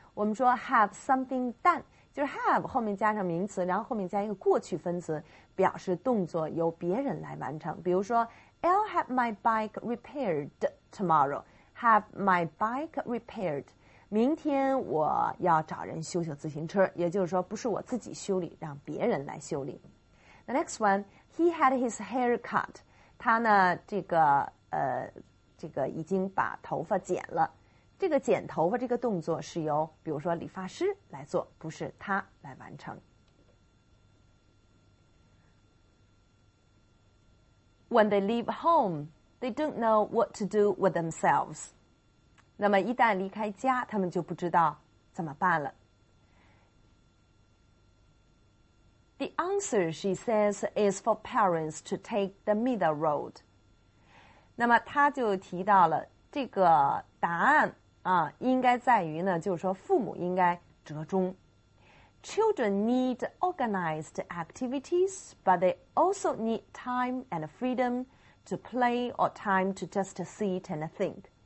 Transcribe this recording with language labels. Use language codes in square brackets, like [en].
[zh] 我们说 [en] have something done， [zh] 就是 have 后面加上名词，然后后面加一个过去分词，表示动作由别人来完成。 [en] 比如说 I'll have my bike repaired tomorrow。 Have my bike repaired. [zh] 明天我要找人修修自行车，也就是说不是我自己修理，让别人来修理。 [en] The next one, he had his hair cut. [zh] 他呢这个已经把头发剪了。这个剪头发这个动作是由比如说理发师来做，不是他来完成。 [en] When they leave home,They don't know what to do with themselves. [zh] 那么一旦离开家，他们就不知道怎么办了。 [en] The answer, she says, is for parents to take the middle road. [zh] 那么他就提到了这个答案啊，应该在于呢，就是说父母应该折中。 [en] Children need organized activities, but they also need time and freedom to play or time to just sit and think.